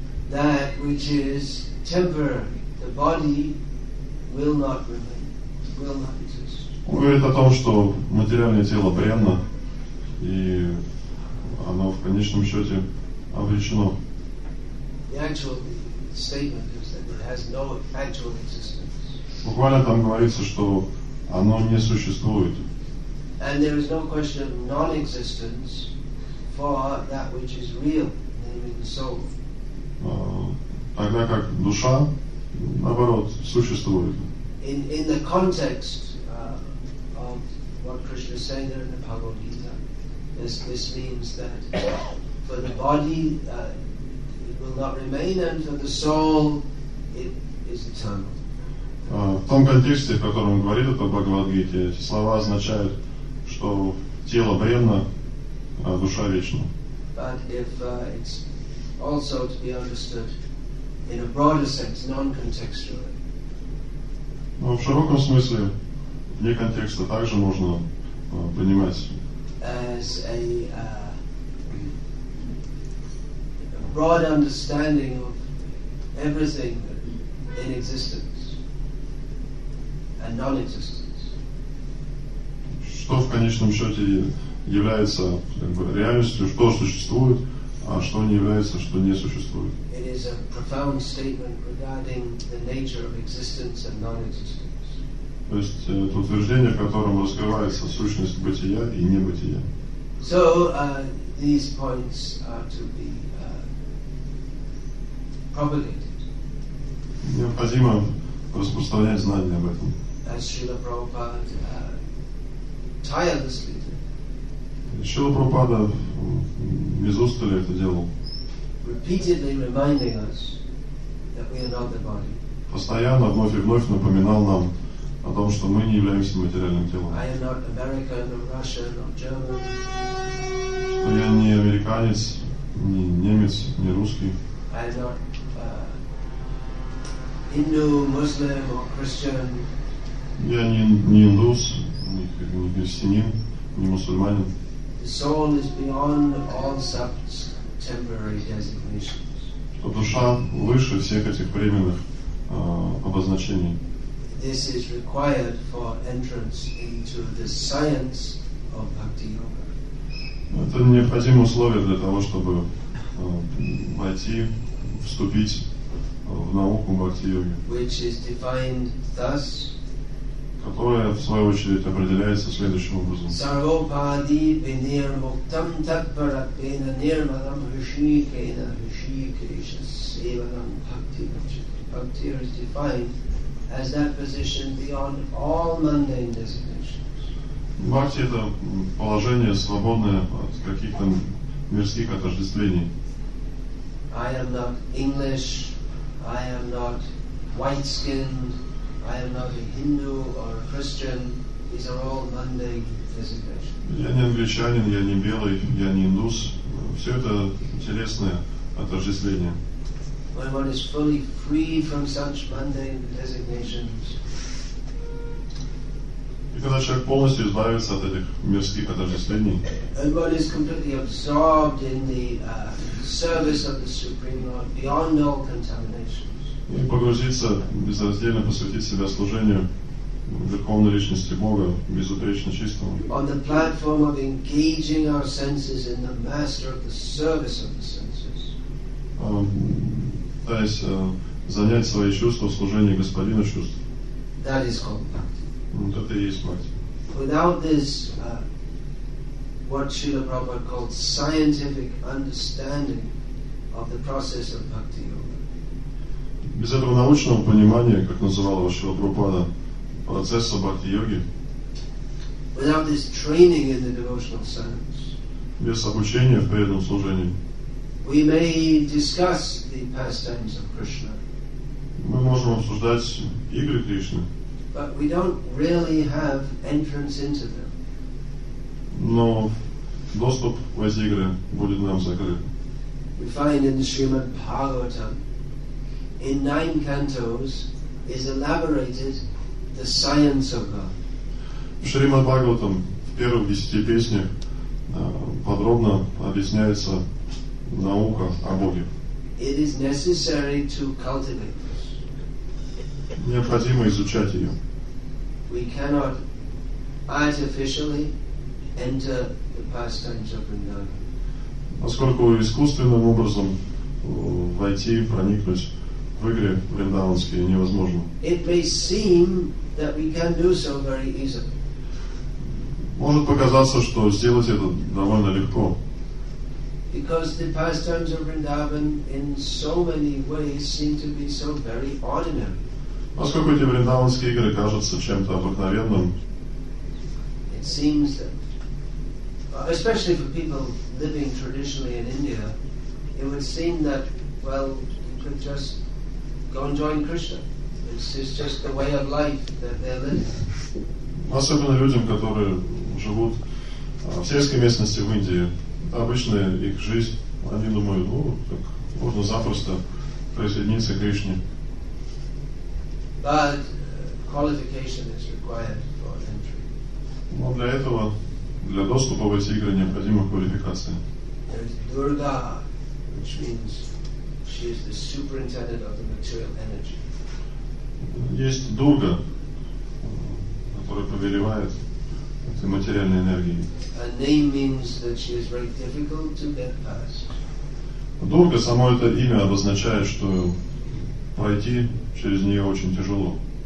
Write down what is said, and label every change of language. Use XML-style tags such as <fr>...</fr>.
<en>That which is temporary, the body will not remain, will not exist.</en> <ru>Он говорит о том, что материальное тело бренно, и оно в конечном счете обречено.</ru> <en>The actual statement is that it has no actual existence.</en> <ru>Буквально там говорится, что оно не существует.</ru> <en>And there is no question of non-existence for that which is real, namely the soul.</en> <ru>Тогда как душа, наоборот, существует.</ru> <en>In the context of what Krishna is saying there in the Bhagavad Gita, this means that for the body it will not remain, and for the soul it is eternal.</en> <ru>В том контексте, в котором говорит это Бхагавад-гите, слова означают, что тело бренно, а душа вечна.</ru> <en>But if it's also to be understood in a broader sense, non-contextual.</en> <ru>Но в широком смысле, вне контекста, также можно понимать.</ru> <en>As a broad understanding of everything in existence and non-existence.</en> <ru>Что в конечном счете является как бы, реальностью, что существует, а что не является, что не существует.</ru> <en>It is a profound statement regarding the nature of existence and non-existence.</en> <ru>То есть это утверждение, в котором раскрывается сущность бытия и небытия.</ru> <en>So these points are to be propagated.</en> <ru>Необходимо распространять знания об этом.</ru> <en>As Srila Prabhupada tirelessly did.</en> <ru>Шрила Прабхупада без устали это делал.</ru> <en>Repeatedly reminding us that we are not the body.</en> <ru>Постоянно, вновь и вновь напоминал нам о том, что мы не являемся материальным телом.</ru> <en>I am not American, nor Russian, nor German.</en> <ru>Что я не американец, не немец, не русский.</ru> <en>I am not Hindu, Muslim, or Christian.</en> <ru>Я не индус, не христианин, не мусульманин.</ru> <en>The soul is beyond all such temporary designations.</en> <ru>Что душа выше всех этих временных обозначений.</ru> <en>This is required for entrance into the science of Bhakti Yoga.</en> <ru>Это необходимое условие для того, чтобы войти, вступить в науку Бхакти Йоги.</ru> <en>Which is defined thus.</en> <ru>Которая, в свою очередь, определяется следующим образом.</ru> <sa>Сарвопади пинир муктам таппара пина нирмалам хришикена хришикеша севалам бхакти вачати.</sa> <en>Бхакти is defined as that position beyond all mundane designations.</en> <ru>Бхакти — это положение, свободное от каких-то мирских отождествлений.</ru> <en>I am not English, I am not white-skinned, I am not a Hindu or a Christian. These are all mundane designations.</en> <ru>Я не англичанин, я не белый, я не индус. Все это телесное отождествление.</ru> <en>When one is fully free from such mundane designations.</en> <ru>И когда человек полностью избавится от этих мирских отождествлений.</ru> <en>And one is completely absorbed in the service of the Supreme Lord beyond all contamination.</en> <ru>И погрузиться, безраздельно посвятить себя служению Верховной Личности Бога, безупречно чистому.</ru> <en>On the platform of engaging our senses in the master of the service of the senses.</en> <ru>Пытаясь занять свои чувства в служении Господина чувств.</ru> <en>That is called bhakti.</en> <ru>Вот это и есть bhakti.</ru> <en>Without this what Srila Prabhupada called scientific understanding of the process of bhakti yoga.</en> <ru>Без этого научного понимания, как называл его Шрила Прабхупада, процесса бхакти йоги.</ru> <en>Without this training in the devotional science.</en> <ru>Без обучения в преданном служении.</ru> <en>We may discuss the pastimes of Krishna.</en> <ru>Мы можем обсуждать игры Кришны.</ru> <en>But we don't really have entrance into them.</en> <ru>Но доступ в эти игры будет нам закрыт.</ru> <en>We find in the Srimad Bhagavatam, in 9 cantos, is elaborated the science of God.</en> <ru>В Шримад Бхагаватам в первых 10 песнях подробно объясняется наука о Боге.</ru> <en>It is necessary to cultivate this.</en> <ru>Необходимо изучать ее.</ru> <en>We cannot artificially enter the pastimes of Vrindavan.</en> <ru>Поскольку искусственным образом войти, проникнуть в игры вриндаванские невозможно.</ru> <en>It may seem that we can do so very easily.</en> <ru>Может показаться, что сделать это довольно легко.</ru> <en>Because the pastimes of Vrindavan in so many ways seem to be so very ordinary.</en> <ru>Поскольку эти вриндаванские игры кажутся чем-то обыкновенным.</ru> <en>It seems that, especially for people living traditionally in India, it would seem that, well, you could just go and join Krishna. It's just the way of life that they're living.</en> <ru>Особенно людям, которые живут в сельской местности в Индии, это обычная их жизнь. Они думают, ну, так можно запросто присоединиться к Кришне.</ru> <en>But qualification is required for entry.</en> <ru>Но для этого, для доступа в эти игры необходима квалификация.</ru> <en>There is Durga, which means she is the superintendent of the material energy.</en> <ru>Есть Дурга, которая повелевает этой материальной энергией.</ru> <en>A name means that she is very difficult to get past.</en> <ru>Дурга, само это имя обозначает, что пройти через нее очень тяжело.</ru>